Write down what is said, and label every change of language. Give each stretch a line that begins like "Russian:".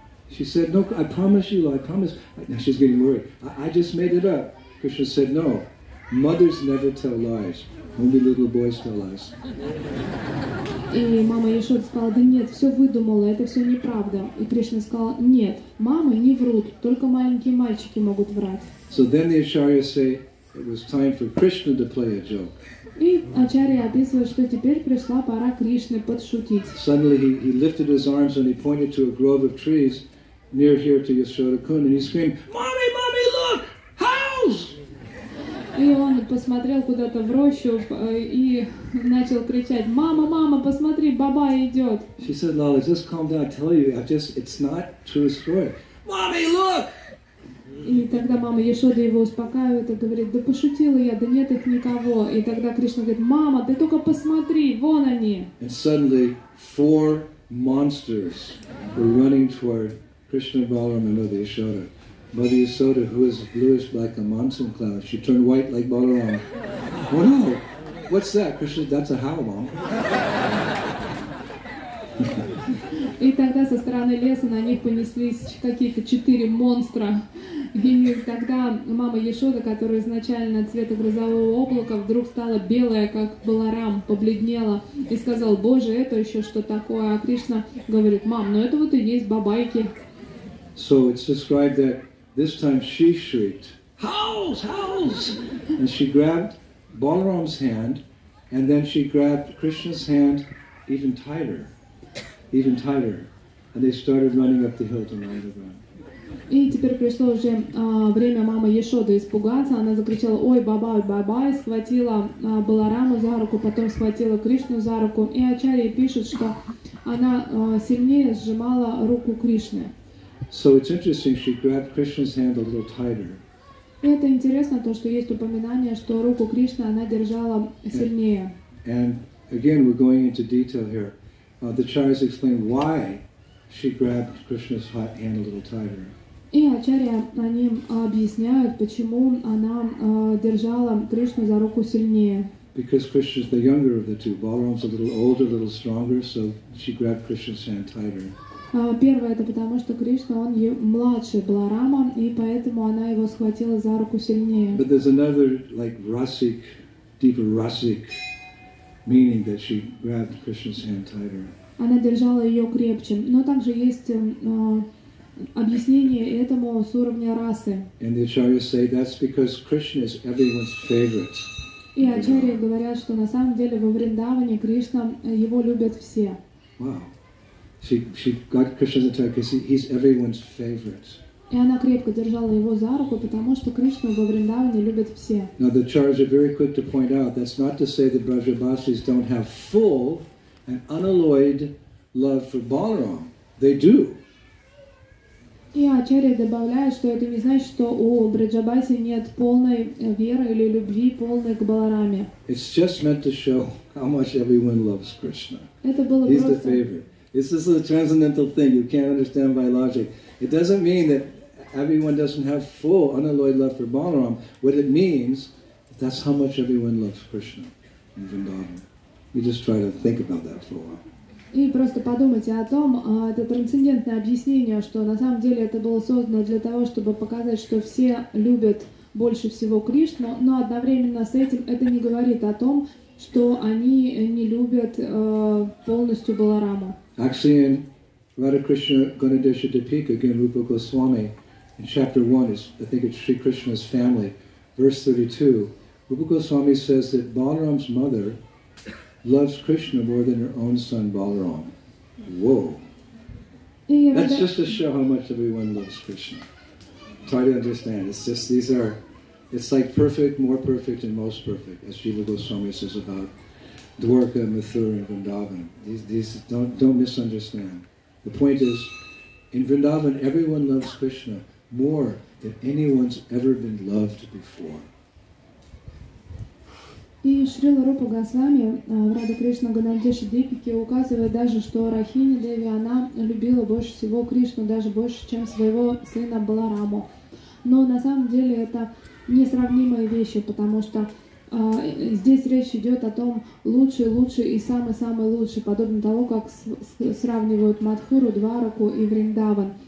English: She said, no, I promise you, I promise. Now she's getting worried. I just made it up. Krishna said, no, mothers never tell lies. Only little boys tell lies.
Russian: И мама Яшода сказала: да нет, все выдумала, это все неправда. И Кришна сказал: нет, мамы не врут, только маленькие мальчики могут врать.
English: So then the Acharya say it was time for Krishna to play a joke.
Russian: И Ачарья описывает, что теперь пришла пора Кришны подшутить.
English: Suddenly he lifted his arms and he pointed to a grove of trees near here to Yasoda Kund and he screamed, "Mommy, mommy, look! Howls!"
Russian: И он посмотрел куда-то в рощу и начал кричать: «Мама, мама, посмотри, баба идет!»
English: She said, Lala, just calm down, I tell you, it's not true story. Mommy, look!
Russian: И тогда мама Яшода его успокаивает и говорит: «Да пошутила я, да нет их никого!» И тогда Кришна говорит: «Мама, ты только посмотри, вон они!»
English: And suddenly four monsters were running toward Krishna Balaram and Mother Yasoda. Mother Yasoda, who is bluish like a monsoon cloud, she turned white like Balaram. Oh no! What's that, Krishna? That's a howl, mom.
Russian: И тогда со стороны леса на них понеслись какие-то четыре монстра. И тогда мама Яшода, которая изначально цвета грозового облака, вдруг стала белая, как Баларам, побледнела и сказала: «Боже, это еще что такое?» А Кришна говорит: «Мам, ну это вот и есть бабайки».
English: So it's described that this time she shrieked, "Howls! Howls!" And she grabbed Balaram's hand, and then she grabbed Krishna's hand even tighter, even tighter. And they started running up the hill to Nandagram.
Russian: И теперь пришло уже время мамы Яшоды испугаться. Она закричала «Ой, бабай, бабай!» Схватила Баларама за руку, потом схватила Кришну за руку. И Ачарья пишет, что она сильнее сжимала руку Кришны.
English: So it's interesting, she grabbed Krishna's hand a little tighter.
Russian: Это интересно, то, что есть упоминание, что руку Кришны она держала сильнее.
English: And again, we're going into detail here. The Acharyas explain why she grabbed Krishna's hand a little tighter.
Russian: И Ачарья на нем объясняет, почему она держала Кришну за руку сильнее.
English: Because Krishna is the younger of the two. Balaram's a little older, a little stronger, so she grabbed Krishna's hand tighter.
Russian: Первое, это потому, что Кришна, он младше Баларама, и поэтому она его схватила за руку сильнее.
English: But there's another, like, rasic, deeper rasic meaning that she grabbed Krishna's hand tighter.
Russian: Она держала ее крепче. Но также есть... объяснение этому с уровня расы.
English: And the Acharyas say that's because Krishna is everyone's favorite.
Russian: И Ачарьи говорят, что на самом деле во Вриндаване Кришна его любят все.
English: Wow, she got Krishna's attention because he's everyone's favorite.
Russian: И она крепко держала его за руку, потому что Кришну во Вриндаване любят все.
English: Now the Acharyas are very quick to point out that's not to say that Brajabasis don't have full and unalloyed love for Balaram. They do.
Russian: И Ачарья добавляет, что это не значит, что у Браджабаси нет полной веры или любви, полной к Балараме.
English: It's just meant to show how much everyone loves Krishna.
Russian: Это было
English: He's
Russian: просто...
English: the favorite. This is a transcendental thing you can't understand by logic. It doesn't mean that everyone doesn't have full unalloyed love for Balaram. What it means, that's how much everyone loves Krishna in Vrindavan. You just try to think about that for a while.
Russian: И просто подумайте о том, это трансцендентное объяснение, что на самом деле это было создано для того, чтобы показать, что все любят больше всего Кришну, но одновременно с этим это не говорит о том, что они не любят полностью Балараму.
English: Actually, in Radha Krishna Gunadesha Deepika, again, Rupa Goswami, in chapter 1, I think it's Sri Krishna's family, verse 32, Rupa Goswami says that Balaram's mother loves Krishna more than her own son Balaram. Whoa. That's just to show how much everyone loves Krishna. Try to understand. It's just these are, it's like perfect, more perfect, and most perfect, as Jiva Goswami says about Dwarka, Mathura, and Vrindavan. These don't misunderstand. The point is, in Vrindavan, everyone loves Krishna more than anyone's ever been loved before.
Russian: И Шрила Рупа Госвами в Радхе Кришна Гунандеши Дипике указывает даже, что Рахини Деви, она любила больше всего Кришну, даже больше, чем своего сына Балараму. Но на самом деле это несравнимые вещи, потому что здесь речь идет о том, лучший-лучший и самый-самый лучший, подобно того, как сравнивают Мадхуру, Двараку и Вриндаван.